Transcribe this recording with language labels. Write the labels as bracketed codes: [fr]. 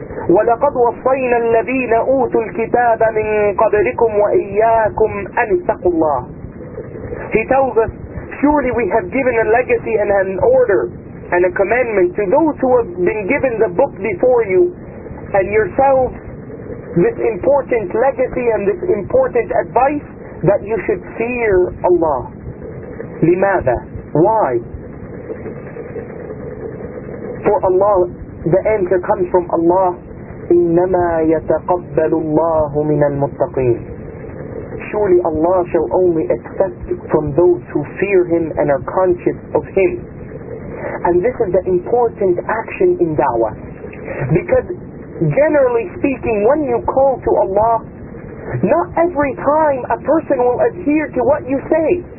[ar] ولقد وصينا الذين أوتوا الكتاب من قبلكم وإياكم أن اتقوا الله. [en] He tells us, surely we have given a legacy and an order and a commandment to those who have been given the book before you and yourselves this important legacy and this important advice that you should fear Allah. [ar] لماذا? [en] Why? For Allah, the answer comes from Allah. [ar] إنما يتقبل الله من المتقين. [en] Surely Allah shall only accept from those who fear Him and are conscious of Him. And this is the important action in da'wah. Because generally speaking, when you call to Allah, not every time a person will adhere to what you say.